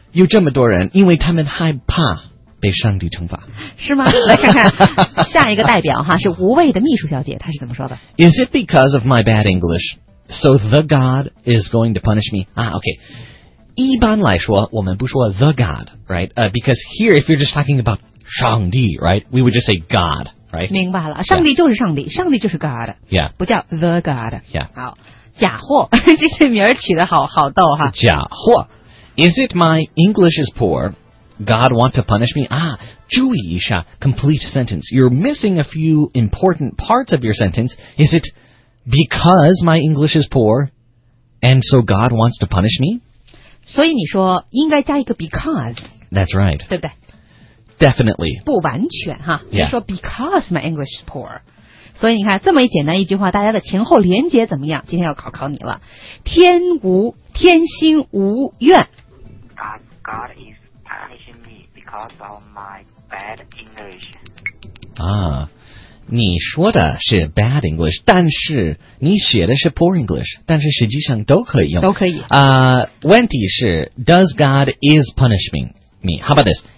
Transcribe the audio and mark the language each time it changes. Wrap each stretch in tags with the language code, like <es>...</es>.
<zh>有这么多人，因为他们害怕被上帝惩罚。是吗？来看看下一个代表哈，是无畏的秘书小姐，她是怎么说的</zh> <en>？Is it because of my bad English? So the God is going to punish me. Ah, okay.</en> <zh>一般来说我们不说</zh> <en>the God, right?、Because here, if you're just talking about</en> <zh>上帝</zh> <en>right? We would just say God, right?</en> <zh>明白了。上帝就是上帝。上帝就是 God.</zh> <en>Yeah.</en> <zh>不叫 the God.</zh> <en>Yeah.</en> <zh>好。假货。这些名儿取得好好逗哈。假货。</zh> <en>Is it my English is poor? God want to punish me? Ah,</en> <zh>注意一下</zh> <en>complete sentence. You're missing a few important parts of your sentence. Is it... Because my English is poor, and so God wants to punish me?</en> <zh>所以你说应该加一个 because.</zh> <en>That's right.</en> <zh>对不对</zh> <en>Definitely.</en> <zh>不完全哈、</zh> <en>yeah.</en> <zh>你说</zh> <en>because my English is poor.</en> <zh>所以你看这么一简单一句话大家的前后连结怎么样今天要考考你了。天心无怨。</zh> <en>God is punishing me because of my bad English.</en> <zh>啊。你说的是 bad English, 但是你写的是 poor English, 但是实际上都可以用。都可以。问题是</zh> <en>,does God is punishing me? How about this?</en>